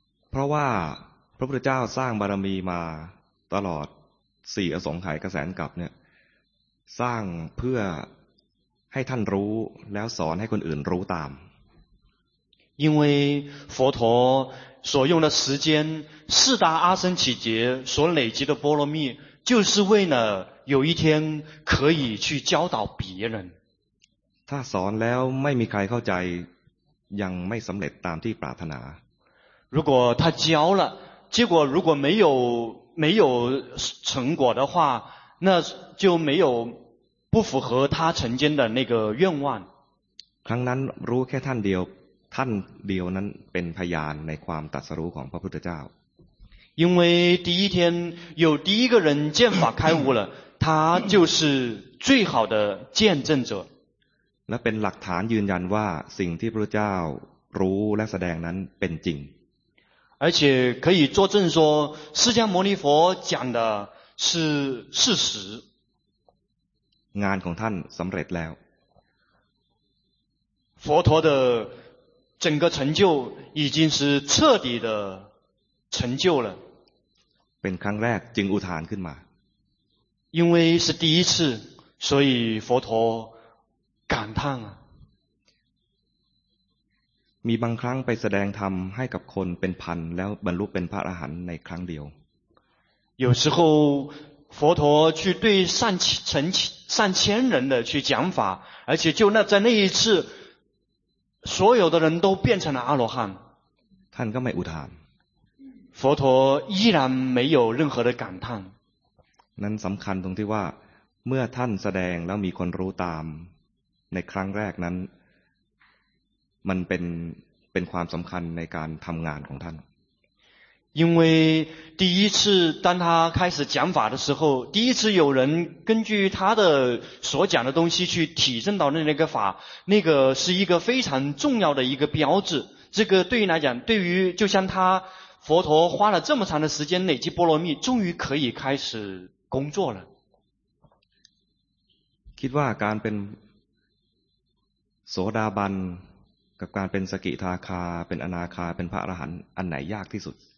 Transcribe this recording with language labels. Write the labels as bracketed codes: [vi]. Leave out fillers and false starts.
[th] เพราะว่าพระพุทธเจ้าสร้างบารมีมาตลอด4อสงไขยกระแสกับเนี่ยสร้างเพื่อให้ท่านรู้แล้วสอนให้คนอื่นรู้ตาม [zh] 因为佛陀所用的时间四大阿僧祇劫所累积的波罗蜜就是为了有一天可以去教导别人 [th] 他สอนแล้วไม่มีใครเข้าใจยังไม่สำเร็จตามที่ปรารถนา [zh] 如果他教了结果如果没有成果的话那就没有不符合他曾经的那个愿望 [th] ครั้งนั้นรู้แค่ท่านเดียวท่านเดียวนั้นเป็นพยานในความตรัสรู้ของพระพุทธเจ้า [zh] 因为第一天有第一个人见法开悟了他就是最好的见证者 [th] และเป็นหลักฐานยืนยันว่าสิ่งที่พระเจ้ารู้และแสดงนั้นเป็นจริง [zh] 而且可以作证说释迦牟尼佛讲的是事实 [th] งานของท่านสำเร็จแล้ว [zh] 佛陀的整个成就已经是彻底的成就了 [th] เป็นครั้งแรกจึงอุทานขึ้นมา [zh] 因为是第一次所以佛陀感叹啊 [th] มีบางครั้งไปแสดงธรรมให้กับคนเป็นพันแล้วบรรลุเป็นพระอรหันต์ในครั้งเดียว [zh] 有时候佛陀去对上千人的去讲法而且就在那一次所有的人都变成了阿罗汉 [th] ท่านก็ไม่อุทาน [zh] 佛陀依然没有任何的感叹 [th] นั้นสำคัญตรงที่ว่าเมื่อท่านแสดงแล้วมีคนรู้ตามในครั้งแรกนั้นมันเป็นความสำคัญในการทำงานของท่าน [zh] 因为第一次当他开始讲法的时候第一次有人根据他的所讲的东西去体证到那个法那个是一个非常重要的一个标志这个对于来讲对于就像他佛陀花了这么长的时间累积波罗蜜终于可以开始工作了 [th] คิดว่าการเป็นโสดาบันกับการเป็นสกิทาคาเป็นอนาคาเป็นพระอรหันต์อันไหนยากที่สุด